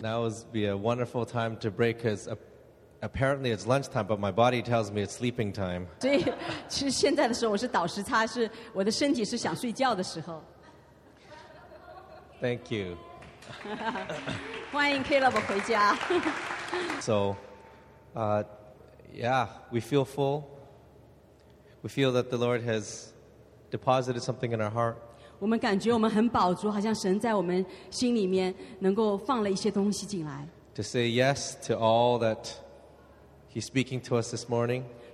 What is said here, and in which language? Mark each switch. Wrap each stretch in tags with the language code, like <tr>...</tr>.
<en>That would be a wonderful time to break because apparently it's lunchtime, but my body tells me it's sleeping time.</en> <zh>所以其实现在的时候我是倒时差，是我的身体是想睡觉的时候。</zh> <en>Thank you.</en> <zh>欢迎 Caleb 回家。</zh> <en>So, yeah, we feel full. We feel that the Lord has deposited something in our heart.</en> <zh>我们感觉我们很饱足，好像神在我们心里面能够放了一些东西进来。</zh> <en>To say yes to all that He's speaking to us this morning.</en>